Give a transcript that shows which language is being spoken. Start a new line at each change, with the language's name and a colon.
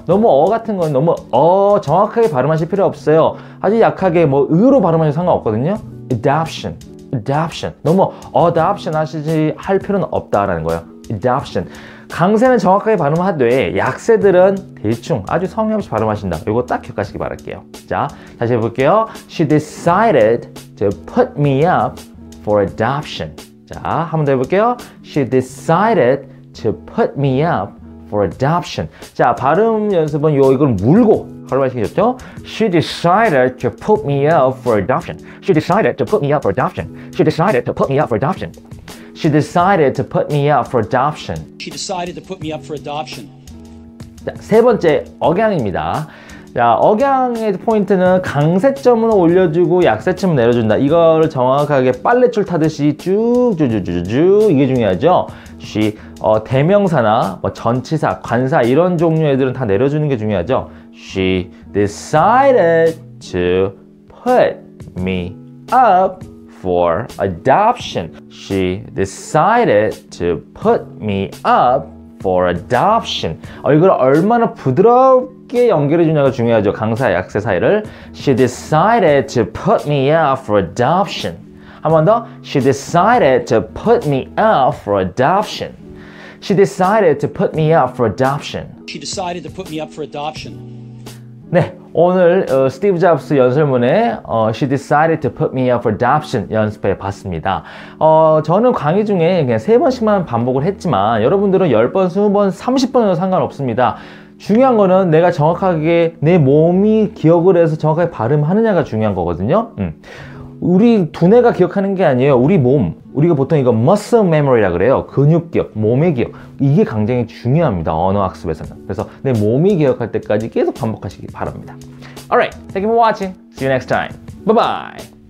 Korean: 너무 어 같은 건 너무 정확하게 발음하실 필요 없어요. 아주 약하게 뭐, 으로 발음하셔도 상관없거든요. adoption. 너무 adoption 하시지 할 필요는 없다라는 거예요. adoption. 강세는 정확하게 발음하되 약세들은 대충 아주 성의 없이 발음하신다. 이거 딱 기억하시기 바랄게요. 자, 다시 해볼게요.
English: She decided to put me up for adoption.
Korean: 자, 한번 더 해볼게요.
English: She decided to put me up for adoption.
Korean: 자, 발음 연습은 이걸 물고 발음하시겠죠?
English: She decided to put me up for adoption. She decided to put me up for adoption. She decided to put me up for adoption. She decided to put me up for adoption. She decided to put me up for adoption.
Korean: 자, 세 번째 억양입니다. 자, 억양의 포인트는 강세점을 올려주고 약세점을 내려준다. 이걸 정확하게 빨래줄 타듯이 쭉쭉쭉쭉쭉 이게 중요하죠. 대명사나 뭐 전치사, 관사 이런 종류의 애들은 다 내려주는 게 중요하죠.
English: She decided to put me up for adoption. She decided to put me up for adoption.
Korean: 이걸 얼마나 부드럽게 연결해 주냐가 중요하죠. 강사 약세 사이를.
English: She decided to put me up for adoption.
Korean: 한 번 더.
English: She decided to put me up for adoption. She decided to put me up for adoption. She decided to put me up for adoption.
Korean: 네, 오늘 스티브 잡스 연설문에
English: She decided to put me up for adoption
Korean: 연습해 봤습니다. 저는 강의 중에 그냥 세 번씩만 반복을 했지만 여러분들은 10번, 20번, 30번에도 상관없습니다. 중요한 거는 내가 정확하게 내 몸이 기억을 해서 정확하게 발음하느냐가 중요한 거거든요. 우리 두뇌가 기억하는 게 아니에요. 우리 몸, 우리가 보통 이거 muscle memory라 그래요. 근육 기억, 몸의 기억. 이게 굉장히 중요합니다. 언어 학습에서는. 그래서 내 몸이 기억할 때까지 계속 반복하시기 바랍니다.
English: Alright, thank you for watching. See you next time. Bye bye.